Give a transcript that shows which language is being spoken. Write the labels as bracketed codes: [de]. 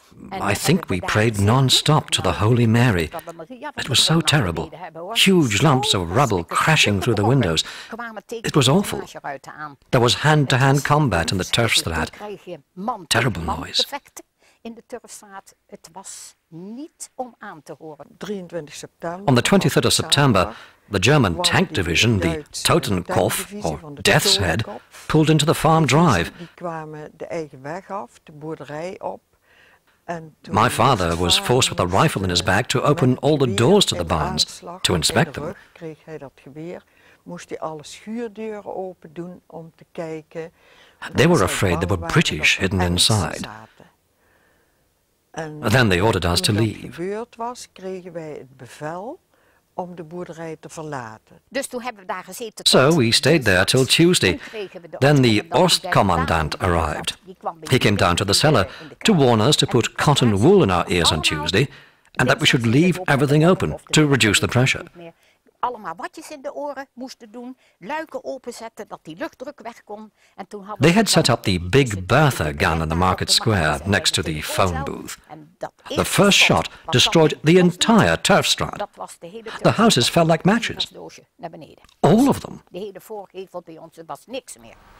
[en] I think we prayed non-stop to the Holy Mary. It was so terrible. Huge lumps of rubble crashing through the windows. It was awful. There was hand-to-hand combat in the turf strat. Terrible noise. [nl] In de turfstraat, het was niet om aan te horen. 23 september. [en] On the 23rd of September, the German tank division, the Totenkopf, or Death's Head, pulled into the farm drive. [nl] Die kwamen de eigen weg af, de boerderij op. [en] My father was forced with a rifle in his back to open all the doors to the barns, to inspect them. [nl] Kreeg hij dat geweer, moest hij alle schuurdeuren open doen om te kijken. [en] They were afraid there were British hidden inside. Then they ordered us to leave. [nl] Toen gebeurd was, kregen wij het bevel om de boerderij te verlaten. Dus toen hebben we daar gezeten. [en] So we stayed there till Tuesday. Then the Ostkommandant arrived. He came down to the cellar to warn us to put cotton wool in our ears on Tuesday and that we should leave everything open to reduce the pressure. [nl] Allemaal watjes in de oren moesten doen, luiken openzetten, dat die luchtdruk weg kon. [en] They had set up the Big Bertha gun in the market square next to the phone booth. The first shot destroyed the entire turf strat. The houses fell like matches. All of them. [nl] De hele voorgevel bij ons was niks meer.